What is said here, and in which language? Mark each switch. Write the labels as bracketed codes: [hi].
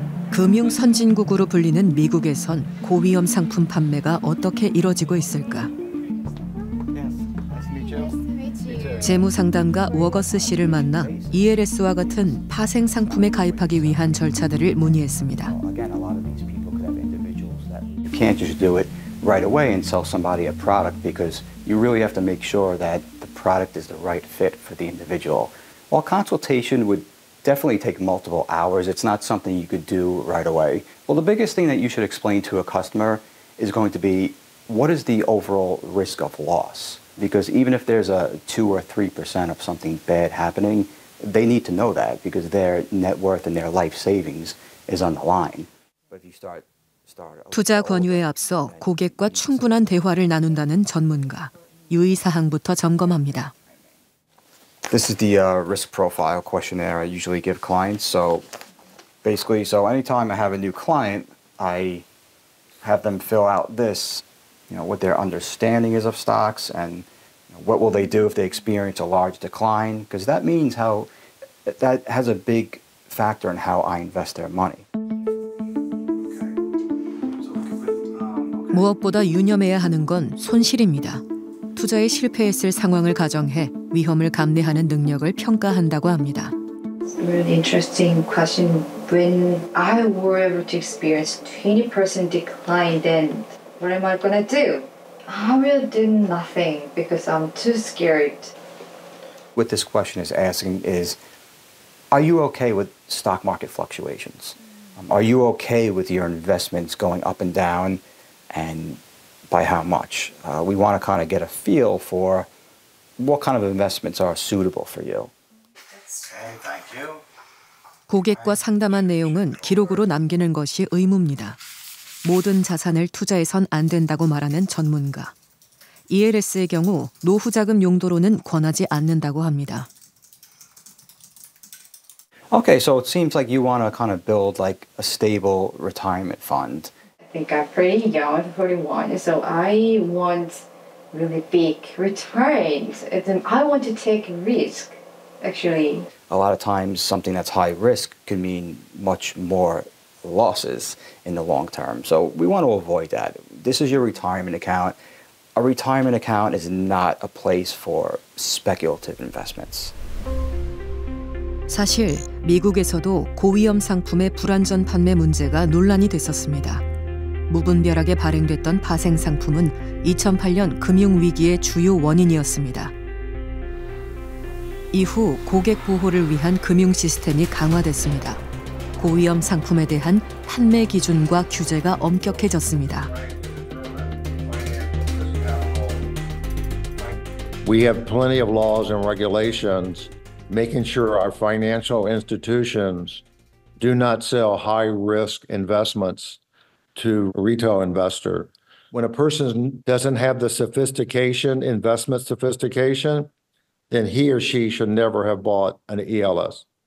[ko] 금융 선진국으로 불리는 미국에선 고위험 상품 판매가 어떻게 이뤄지고 있을까? 재무상담가 워거스 씨를 만나 ELS와 같은 파생 상품에 가입하기 위한 절차들을 문의했습니다. [en] You can't just do it right away and sell somebody a product because you really have to make sure that the product is the right fit for the individual. While consultation would definitely take multiple hours, it's not something you could do right away. Well, the biggest thing that you should explain to a customer is going to be what is the overall risk of loss? Because even if there's a 2 or 3% of something bad happening, they need to know that because their net worth and their life savings is on the line. But if you start [ko] 투자 권유에 앞서 고객과 충분한 대화를 나눈다는 전문가, 유의 사항부터 점검합니다. [en] This is the risk profile questionnaire I usually give clients. So basically, so anytime I have a new client, I have them fill out this. You know, what their understanding is of stocks and what will they do if they experience a large decline? Because that means how, that has a big factor in how I invest their money. [ko] 무엇보다 유념해야 하는 건 손실입니다. 투자에 실패했을 상황을 가정해 위험을 감내하는 능력을 평가한다고 합니다. [en] Really interesting question. When I were able to experience 20% decline, then what am I gonna do? I will do nothing because I'm too scared. What this question is asking is, are you okay with stock market fluctuations? Are you okay with your investments going up and down and by how much? We want to kind of get a feel for what kind of investments are suitable for you. Okay, thank you. [ko] 고객과 상담한 내용은 기록으로 남기는 것이 의무입니다. 모든 자산을 투자해선 안 된다고 말하는 전문가. ELS의 경우 노후 자금 용도로는 권하지 않는다고 합니다. [en] Okay, so it seems like you want to kind of build like a stable retirement fund. I think I'm pretty young, 41, so I want really big returns. I want to take risk, actually. A lot of times something that's high risk can mean much more losses in the long term. So we want to avoid that. This is your retirement account. A retirement account is not a place for speculative investments. [ko] 사실 미국에서도 고위험 상품의 불완전 판매 문제가 논란이 됐었습니다. 무분별하게 발행됐던 파생 상품은 2008년 금융 위기의 주요 원인이었습니다. 이후 고객 보호를 위한 금융 시스템이 강화됐습니다. 고위험 상품에 대한 판매 기준과 규제가 엄격해졌습니다. [en] We have plenty of laws and regulations making sure our financial institutions do not sell high-risk investments to retail investor. When a person doesn't have the sophistication, investment sophistication, then he or she should never have bought an ELS.